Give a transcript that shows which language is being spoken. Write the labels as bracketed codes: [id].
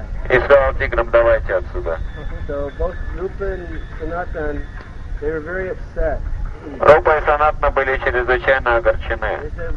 [ru] И сказал тиграм, давайте отсюда. [en] So both Rupa and Sanatan, they were very upset. [ru] Рупа и Санатана были чрезвычайно огорчены.